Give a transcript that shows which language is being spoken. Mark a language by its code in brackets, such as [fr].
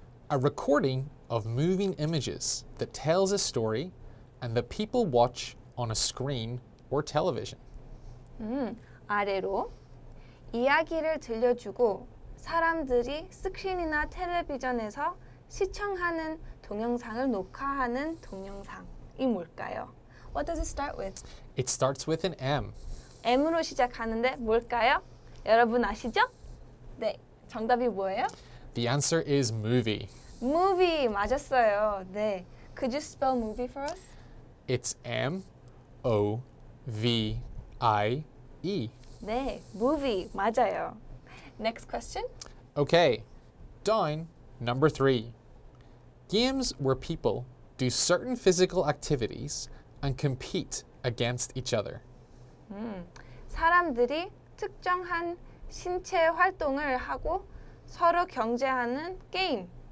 [en] A recording of moving images that tells a story and that people watch on a screen or television. [ko] 아래로 이야기를 들려주고 사람들이 스크린이나 텔레비전에서 시청하는 동영상을 녹화하는 동영상이 뭘까요? What does it start with? It starts with an M. M으로 시작하는데 뭘까요? 여러분 아시죠? 네, 정답이 뭐예요? [en] The answer is movie. Movie, [ko] 맞았어요. 네, [en] could you spell movie for us? It's M-O-V-I-E. 네, movie, [ko] 맞아요. [en] Next question. Okay, dine number three. Games where people do certain physical activities and compete against each other. [ko] 사람들이 특정한 신체 활동을 하고 서로 경쟁하는 게임.